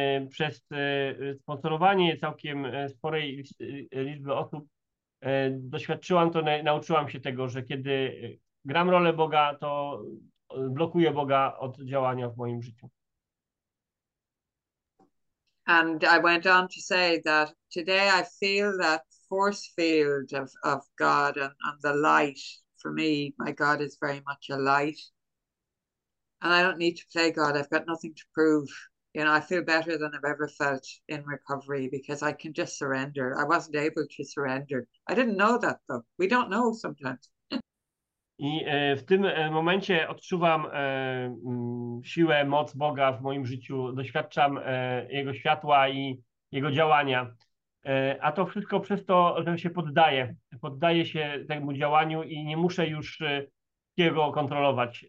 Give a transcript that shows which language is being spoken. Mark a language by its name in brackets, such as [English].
[Polish] Przez sponsorowanie całkiem sporej liczby osób doświadczyłam to, nauczyłam się tego, że kiedy gram rolę Boga, to blokuję Boga od działania w moim życiu. [English] And I went on to say that today I feel that force field of God and the light. For me, my God is very much a light. And I don't need to play God. I've got nothing to prove. You know, I feel better than I've ever felt in recovery because I can just surrender. I wasn't able to surrender. I didn't know that though. We don't know sometimes. [Polish] I w tym momencie odczuwam siłę, moc Boga w moim życiu. Doświadczam Jego światła i Jego działania. A to wszystko przez to, że się poddaję. Poddaję się temu działaniu i nie muszę już jego kontrolować.